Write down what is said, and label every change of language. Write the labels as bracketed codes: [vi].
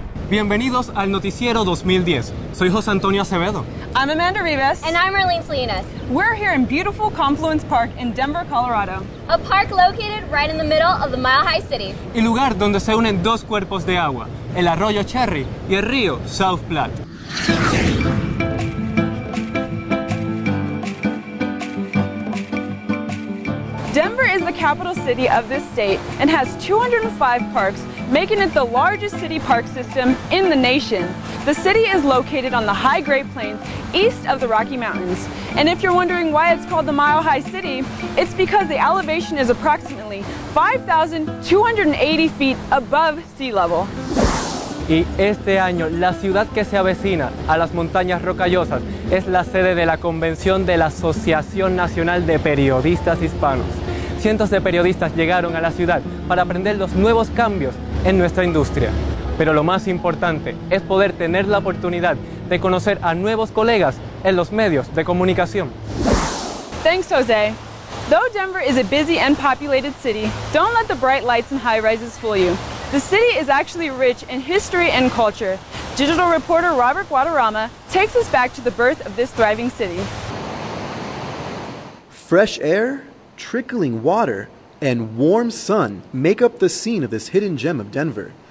[es] Bienvenidos al Noticiero 2010. Soy José Antonio Acevedo. [en] I'm Amanda Rivas. And I'm Arlene Salinas. We're here in beautiful Confluence Park in Denver, Colorado. A park located right in the middle of the Mile High City. [es] El lugar donde se unen dos cuerpos de agua, el Arroyo Cherry y el Río South Platte. [en] Denver is the capital city of this state and has 205 parks, making it the largest city park system in the nation. The city is located on the high Great Plains, east of the Rocky Mountains. And if you're wondering why it's called the Mile High City, it's because the elevation is approximately 5,280 feet above sea level. [es] Y este año, la ciudad que se avecina a las montañas rocallosas es la sede de la convención de la Asociación Nacional de Periodistas Hispanos. Cientos de periodistas llegaron a la ciudad para aprender los nuevos cambios en nuestra industria. Pero lo más importante es poder tener la oportunidad de conocer a nuevos colegas en los medios de comunicación. [en] Thanks, Jose. Though Denver is a busy and populated city, don't let the bright lights and high-rises fool you. The city is actually rich in history and culture. Digital reporter Robert Guadarrama takes us back to the birth of this thriving city. Fresh air, trickling water, and warm sun make up the scene of this hidden gem of Denver.